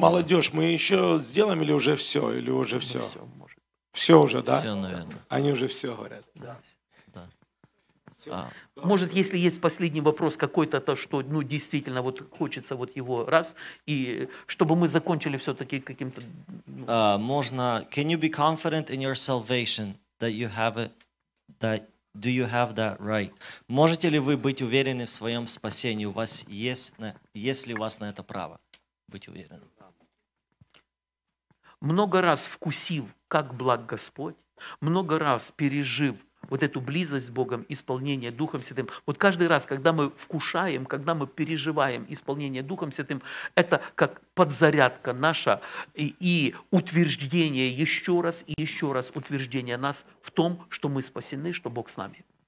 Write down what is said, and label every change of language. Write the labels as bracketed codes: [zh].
[ru] Молодежь, мы еще сделаем или уже все? Или уже все? Все, может. Все уже, да? Все, наверное. Они уже все говорят. Да. Может, если есть последний вопрос какой-то, то что, ну, действительно, вот хочется вот его раз, и чтобы мы закончили все-таки каким-то... Можно... [en] Can you be confident in your salvation that you have it that do you have that right? [ru] Можете ли вы быть уверены в своем спасении? У вас есть, есть ли у вас на это право быть уверенным? Много раз вкусив, как благ Господь, много раз пережив вот эту близость с Богом, исполнение Духом Святым, вот каждый раз, когда мы вкушаем, когда мы переживаем исполнение Духом Святым, это как подзарядка наша и утверждение еще раз и еще раз утверждение нас в том, что мы спасены, что Бог с нами.